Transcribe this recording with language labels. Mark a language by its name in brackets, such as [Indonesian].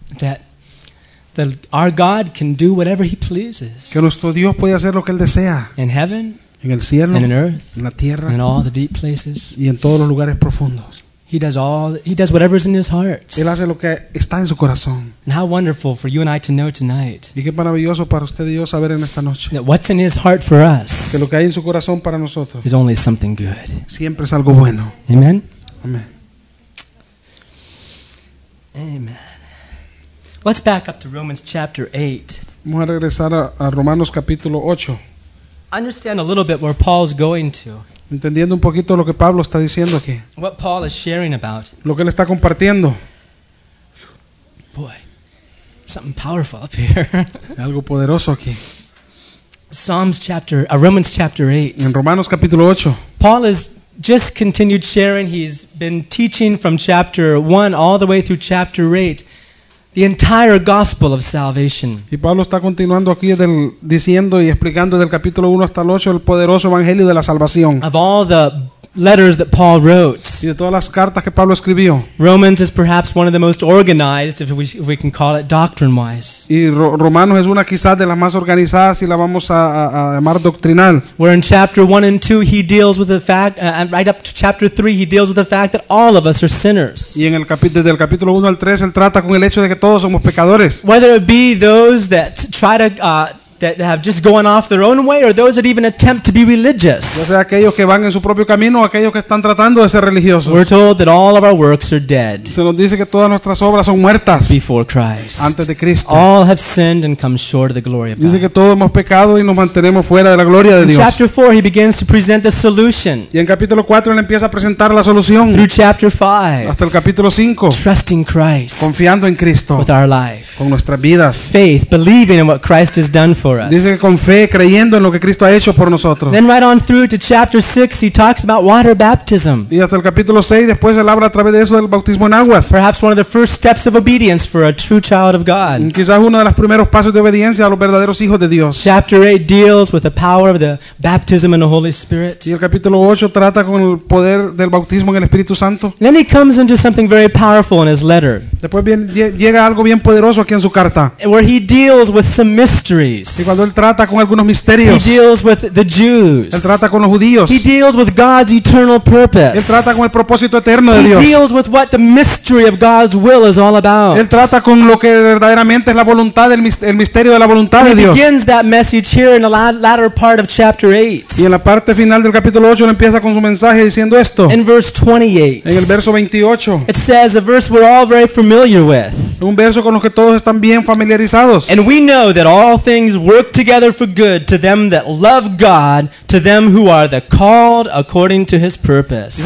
[English] That our God can do whatever He pleases. [Spanish] Que nuestro Dios puede hacer lo que él desea. [English] In heaven. [Spanish] En el cielo. [English] And in earth. [Spanish] En la tierra. [English] And in all the deep places. [Spanish] Y en todos los lugares profundos. [English] He does whatever is in his heart. [Spanish] Él hace lo que está en su corazón. [English] And how wonderful for you and I to know tonight. [Spanish] Y qué maravilloso para usted y yo saber en esta noche. [English] That what's in his heart for us. [Spanish] Que lo que hay en su corazón para nosotros. [English] Is only something good. [Spanish] Siempre es algo bueno. [English] Amen. [Spanish] Amen. [English] Amen. Let's back up to Romans chapter 8. [Spanish] Vamos a regresar a Romanos capítulo 8. [English] Understand a little bit where Paul's going to. [Spanish] Entendiendo un poquito lo que Pablo está diciendo aquí. [English] What Paul is sharing about. [Spanish] Lo que él está compartiendo. [English] Boy, something powerful up here. [Spanish] Algo poderoso aquí. [English] Psalms chapter, Romans chapter 8. [Spanish] En Romanos capítulo 8. [English] Paul has just continued sharing. He's been teaching from chapter 1 all the way through chapter 8. The entire gospel of salvation. [Spanish] Y Pablo está continuando aquí diciendo y explicando del capítulo 1 hasta el 8 el poderoso evangelio de la salvación. [English] Of all the letters that Paul wrote. [Spanish] Y de todas las cartas que Pablo escribió. [English] Romans is perhaps one of the most organized, if we can call it doctrine-wise. [Spanish] Y Romanos es una quizás de las más organizadas si la vamos a llamar doctrinal. [English] Where in chapter 1 and 2 he deals with the fact, right up to chapter 3 he deals with the fact that all of us are sinners. [Spanish] Y en desde el capítulo 1 al 3 él trata con el hecho de que todos somos pecadores. [English] Whether it be those that try to that have just gone off their own way, or those that even attempt to be religious. [Spanish] Ya sea aquellos que van en su propio camino, o aquellos que están tratando de ser religiosos. [English] We're told that all of our works are dead. [Spanish] Se nos dice que todas nuestras obras son muertas. [English] Before Christ. [Spanish] Antes de Cristo. [English] All have sinned and come short of the glory of God. [Spanish] Dice que todos hemos pecado y nos mantenemos fuera de la gloria de Dios. [English] In chapter 4, he begins to present the solution. [Spanish] Y en capítulo 4 él empieza a presentar la solución. [English] Through chapter 5. [Spanish] Hasta el capítulo 5. [English] Trusting Christ. [Spanish] Confiando en Cristo. [English] With our life. [Spanish] Con nuestras vidas. [English] Faith, believing in what Christ has done for. [Spanish] Dice que con fe, creyendo en lo que Cristo ha hecho por nosotros. [English] Then right on through to chapter 6, he talks about water baptism. [Spanish] Y hasta el capítulo 6, después él habla a través de eso del bautismo en aguas. [English] Perhaps one of the first steps of obedience for a true child of God. [Spanish] Quizás uno de los primeros pasos de obediencia a los verdaderos hijos de Dios. [English] Chapter 8 deals with the power of the baptism in the Holy Spirit. [Spanish] Y el capítulo 8 trata con el poder del bautismo en el Espíritu Santo. [English] Then he comes into something very powerful in his letter. [Spanish] Después llega algo bien poderoso aquí en su carta. [English] Where he deals with some mysteries. [Spanish] Y cuando él trata con algunos misterios. [English] He deals with the Jews. [Spanish] Él trata con los judíos. [English] He deals with God's eternal purpose. [Spanish] Él trata con el propósito eterno de Dios. [English] He deals with what the mystery of God's will is all about. [Spanish] Él trata con lo que verdaderamente es la voluntad, el misterio de la voluntad de Dios. [English] He begins that message here in the latter part of chapter 8. [Spanish] Y en la parte final del capítulo 8 él empieza con su mensaje diciendo esto. [English] In verse 28. [Spanish] En el verso 28. [English] It says a verse we're all very familiar with. [Spanish] Un verso con lo que todos están bien familiarizados. [English] And we know that all things work together for good to them that love God, to them who are the called according to His purpose.